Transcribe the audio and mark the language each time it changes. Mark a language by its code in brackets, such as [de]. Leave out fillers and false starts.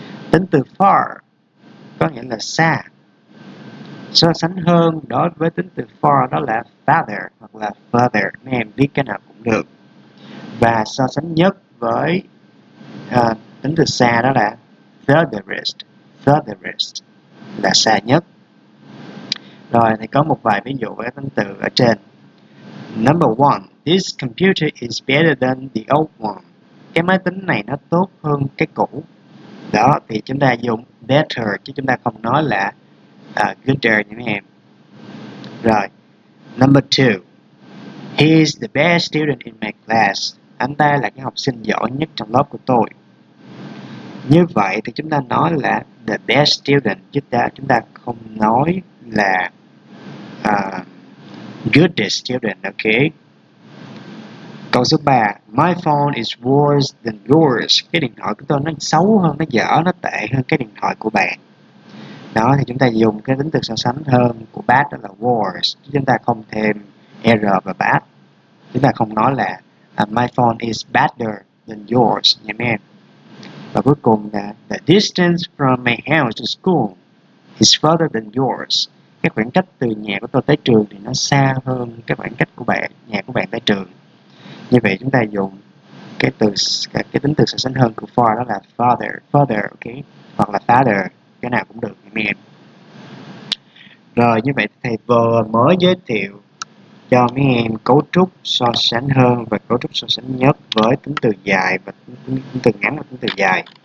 [vi] Tính từ far có nghĩa là xa, so sánh hơn đối với tính từ far đó là farther hoặc là further, mấy em biết cái nào cũng được. Và so sánh nhất với tính từ xa đó là furtherest, furtherest là xa nhất. Rồi thì có một vài ví dụ với tính từ ở trên. [en] Number one, this computer is better than the old one. [vi] Cái máy tính này nó tốt hơn cái cũ. Đó thì chúng ta dùng better chứ chúng ta không nói là gooder nha mấy em. Rồi, [en] number two, he is the best student in my class. [vi] Anh ta là cái học sinh giỏi nhất trong lớp của tôi. Như vậy thì chúng ta nói là [en] the best student, [vi] chúng ta không nói là [en] goodest student, [vi] ok? Câu số 3, [en] my phone is worse than yours. [vi] Cái điện thoại của tôi nó xấu hơn, nó dở, nó tệ hơn cái điện thoại của bạn. Đó, thì chúng ta dùng cái tính từ so sánh hơn của bad đó là worse, chứ chúng ta không thêm er và bad. Chúng ta không nói là [en] my phone is better than yours, [vi] nha mấy em. Và cuối cùng là [en] the distance from my house to school is further than yours. [vi] Cái khoảng cách từ nhà của tôi tới trường thì nó xa hơn cái khoảng cách của bạn, nhà của bạn tới trường. Như vậy chúng ta dùng cái tính từ so sánh hơn của far đó là farther, farther, ok? Hoặc là farther, cái nào cũng được, nha mấy em. Rồi, như vậy thầy vừa mới giới thiệu cho mấy em cấu trúc so sánh hơn và cấu trúc so sánh nhất với tính từ dài và tính từ ngắn và tính từ dài.